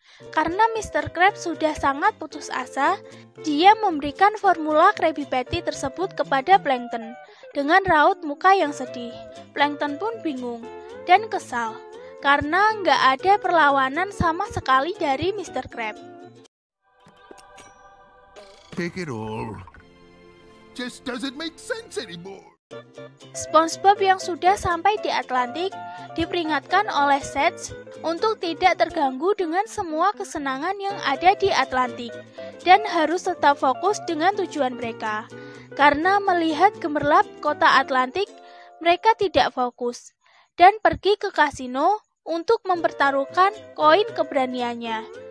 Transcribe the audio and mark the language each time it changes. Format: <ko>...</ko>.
<id>Karena Mr. Krab sudah sangat putus asa, dia memberikan formula Krabby Patty tersebut kepada Plankton dengan raut muka yang sedih. Plankton pun bingung dan kesal karena nggak ada perlawanan sama sekali dari Mr. Krab.</id> <en>Take it all. Just doesn't make sense anymore.</en> <id>SpongeBob yang sudah sampai di Atlantik diperingatkan oleh Satch untuk tidak terganggu dengan semua kesenangan yang ada di Atlantik dan harus tetap fokus dengan tujuan mereka. Karena melihat gemerlap kota Atlantik, mereka tidak fokus dan pergi ke kasino untuk mempertaruhkan koin keberaniannya.</id>